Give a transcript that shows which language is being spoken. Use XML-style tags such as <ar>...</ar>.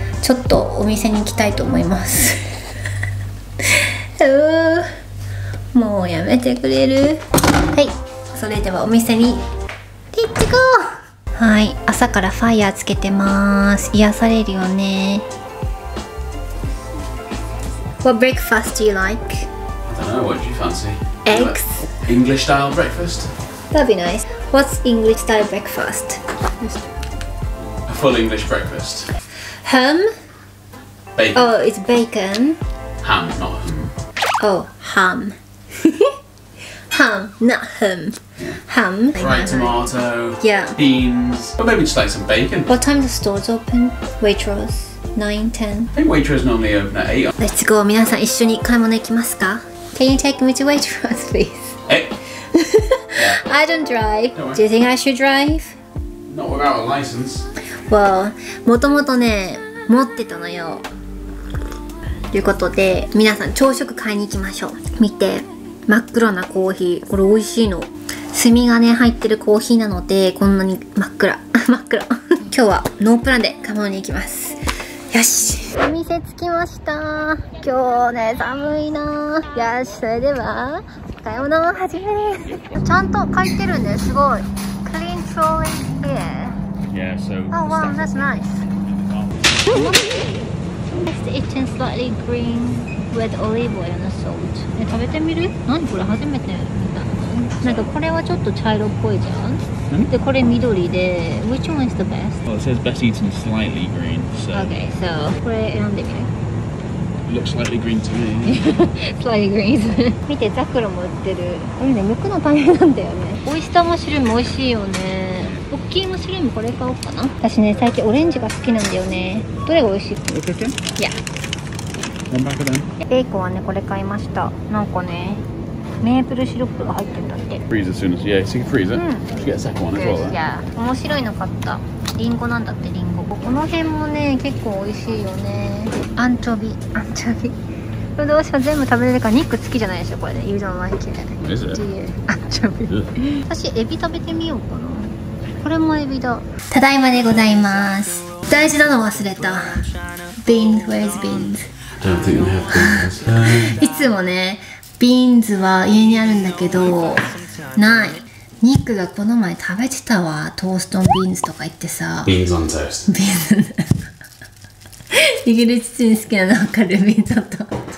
<ja>ちょっとお店に行きたいと思います。もうやめてくれる？はい、それではお店に行ってこう。はい、朝からファイヤーつけてます。癒されるよね。</ja> <en>What breakfast do you like? I don't know, what do you fancy? Eggs? English style breakfast? That'd be nice. What's English style breakfast? A full English breakfast. Ham? Bacon. Oh, it's bacon. Ham, not ham. Oh, ham. Ham, not ham. Yeah. Ham. Fried tomato. Yeah. Beans. But maybe just like some bacon. What time the stores open? Waitrose? 9, 10. Let's go.</en> <ja>皆さん一緒に買い物行きますか?</ja> <en>Can you take me to Waitrose, please? Eh? I don't drive. No, do you think I should drive? Not without a license.</en> <ja>Well, もともとね、持ってたのよ。ということで、皆さん朝食買いに行きましょう。見て、真っ黒なコーヒー。これ美味しいの。炭がね、入ってるコーヒーなので、こんなに真っ暗。真っ暗。今日はノープランで買い物に行きます。よし、お店着きました。今日ね、寒いな。よし、それでは買い物を始める。ちゃんと書いてるね、すごい。</ja> <en>Clean trolley here. Yeah, so Oh wow, that's nice. It's eaten slightly green with olive oil and salt.</en> <ja>食べてみる。何これ、初めて見た。なんかこれはちょっと茶色っぽいじゃん。で、これ緑で、</ja> <en>which one is the best? Well, it says best eaten slightly green, so...</en> <ja>Okay, so... これ選んでみる?</ja> <en>Looks slightly green to me. Slightly green.</en> <ja>見て、ザクロも売ってる。これね、剥くの大変なんだよね。オイスターマッシュルーム美味しいよね。大きいマッシュルームこれ買おうかな。私ね、最近オレンジが好きなんだよね。どれが美味しい?</ja> <en>Okay, okay. Yeah. One back then.</en> <ja>ベーコンはね、これ買いました。なんかね、メープルシロップが入ってたって。</ja> <en>Freeze as soon as yeah, so you freeze it. You get a second one as well.</en> <ja>Yeah, 面白いの買った。リンゴなんだって、リンゴ。この辺もね、結構美味しいよね。アンチョビ、アンチョビ。どうしよう、全部食べれるから。肉好きじゃないでしょこれで。</ja> <en>You don't like it. Is it?</en> <ja>アンチョビ。私エビ食べてみようかな。これもエビだ。ただいまでございます。大事なの忘れた。</ja> <en>Beans, where's beans? Don't think you have beans.</en> <ja>いつもね。ビーンズは家にあるんだけど、ない。ニックがこの前食べてたわ。トーストンビーンズとか言ってさ、ビーンズオントースト、ビーンズ。イギリス人好きなの分かる。ビーンズオントースト。</ja>